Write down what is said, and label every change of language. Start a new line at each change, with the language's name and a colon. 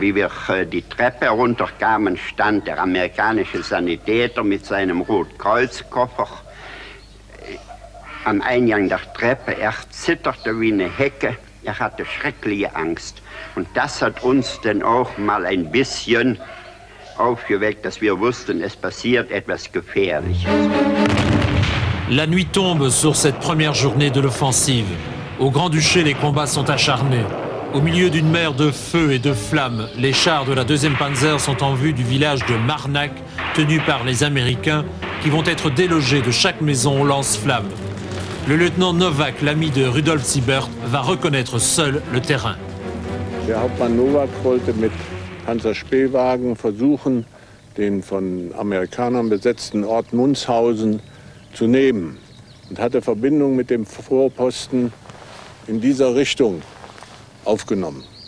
German: Wie wir die Treppe runterkamen, stand der amerikanische Sanitäter mit seinem Rotkreuzkoffer am Eingang der Treppe. Er zitterte wie eine Hecke, er hatte schreckliche Angst. Und das hat uns dann auch mal ein bisschen aufgeweckt, dass wir wussten, es passiert etwas Gefährliches.
French: La nuit tombe sur cette première journée de l'offensive. Au Grand-Duché, les combats sont acharnés. Au milieu d'une mer de feu et de flammes, les chars de la 2e Panzer sont en vue du village de Marnac, tenu par les Américains, qui vont être délogés de chaque maison au lance-flammes. Le lieutenant Novak, l'ami de Rudolf Siebert, va reconnaître seul le terrain.
German: Der Hauptmann Novak wollte mit Panzerspähwagen versuchen, den von Amerikanern besetzten Ort Munzhausen zu nehmen und hatte Verbindung mit dem Vorposten in dieser Richtung aufgenommen.